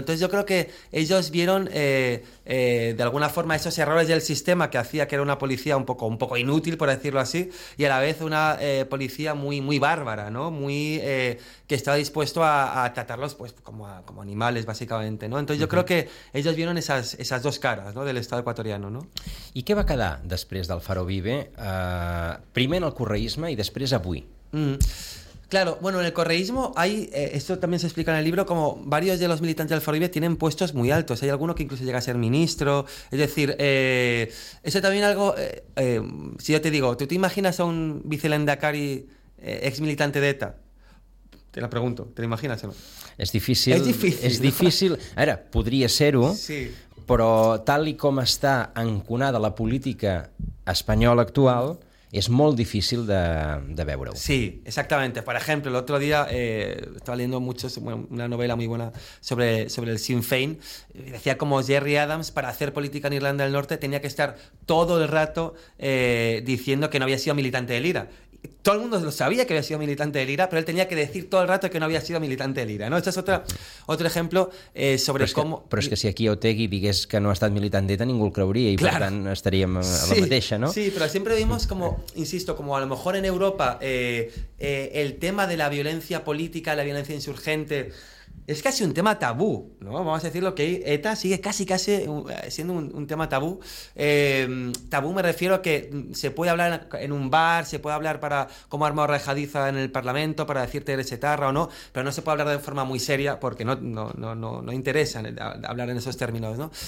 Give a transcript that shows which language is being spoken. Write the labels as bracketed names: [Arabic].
[Spanish] Entonces yo creo que ellos vieron de alguna forma esos errores del sistema que hacía que era una policía un poco inútil, por decirlo así, y a la vez una policía muy, muy bárbara, ¿no? Que estaba dispuesto a tratarlos pues como animales, básicamente, ¿no? Entonces yo creo que ellos vieron esas dos caras, ¿no? Del Estado ecuatoriano, ¿no? [Catalan] I què va quedar després del Faro Vive? Primer en el correísmo i després avui. [Spanish] Claro, bueno, en el correísmo hay, esto también se explica en el libro, como varios de los militantes del Faro Vive tienen puestos muy altos. Hay alguno que incluso llega a ser ministro. Es decir, eso también algo, si yo te digo, ¿tú te imaginas a un vicelendakari ex militante de ETA? Te la pregunto, ¿te lo imaginas o no? Es difícil. Es difícil. Es difícil. A ver, podría [Catalan] ser-ho. [Spanish] Sí. [Catalan] Però tal i com està enconada la política espanyola actual, és molt difícil de veure-ho. [Spanish] Sí, exactamente. Por ejemplo, el otro día estaba leyendo mucho, una novela muy buena sobre el Sinn Féin. Decía como Gerry Adams, para hacer política en Irlanda del Norte, tenía que estar todo el rato diciendo que no había sido militante del IRA. Todo el mundo lo sabía que había sido militante del IRA, pero él tenía que decir todo el rato que no había sido militante del IRA, ¿no? Este es otro ejemplo sobre [Catalan] però [Spanish] cómo... [Catalan] Però és que si aquí Otegi digués que no ha estat militant d'ETA, ningú el creuria i, [Spanish] claro, [Catalan] per tant, estaríem a la sí, mateixa, ¿no? [Spanish] Sí, [Catalan] però sempre [Spanish] vimos com, insisto, como a lo mejor en Europa el tema de la violencia política, la violencia insurgente, es casi un tema tabú, ¿no? Vamos a decirlo, que ETA sigue casi siendo un tema tabú. Tabú me refiero a que se puede hablar en un bar, se puede hablar para como arma o rejadiza en el Parlamento para decirte eres etarra o no, pero no se puede hablar de forma muy seria porque no interesa hablar en esos términos, ¿no?